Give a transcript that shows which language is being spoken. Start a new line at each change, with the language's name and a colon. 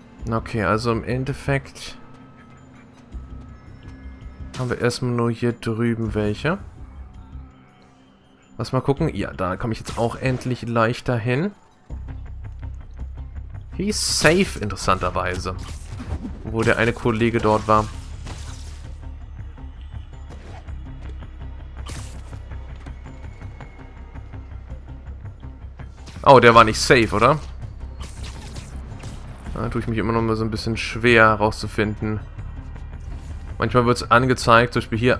German: Okay, also im Endeffekt haben wir erstmal nur hier drüben welche. Lass mal gucken. Ja, da komme ich jetzt auch endlich leichter hin.
English: He's safe,
German: interessanterweise. Wo der eine Kollege dort war. Oh, der war nicht safe, oder? Da tue ich mich immer noch mal so ein bisschen schwer rauszufinden. Manchmal wird es angezeigt, zum Beispiel hier.